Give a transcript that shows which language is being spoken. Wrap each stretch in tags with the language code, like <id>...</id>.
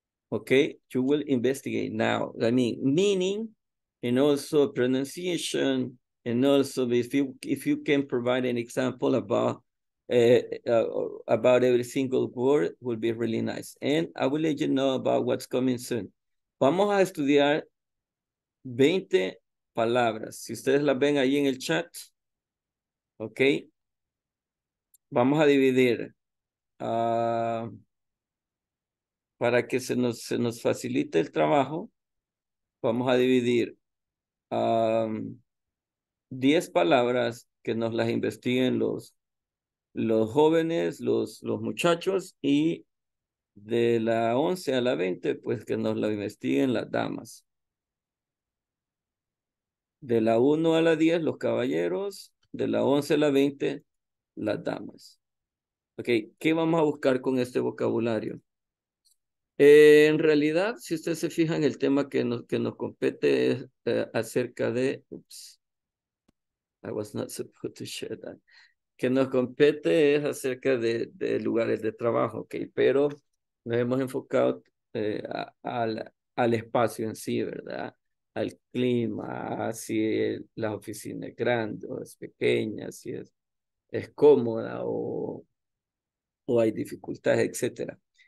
<en>Okay, you will investigate now. I mean, meaning and also pronunciation, and also if you can provide an example about every single word, will be really nice. And I will let you know about what's coming soon.</en> <es>Vamos a estudiar 20 palabras. Si ustedes las ven ahí en el chat, okay. Vamos a dividir para que se nos facilite el trabajo. Vamos a dividir 10 palabras que nos las investiguen los jóvenes, los muchachos, y de la 11 a la 20, pues que nos las investiguen las damas. De la 1 a la 10, los caballeros, de la 11 a la 20, las damas. Ok, ¿qué vamos a buscar con este vocabulario? En realidad, si ustedes se fijan, el tema que nos compete es acerca de...</es> <en>Oops, I was not supposed to share that.</en> <es>Que nos compete es acerca de lugares de trabajo, ok. Pero nos hemos enfocado al espacio en sí, ¿verdad? Al clima, si la oficina es grande o es pequeña, si es cómoda o hay dificultades, etcétera.</es>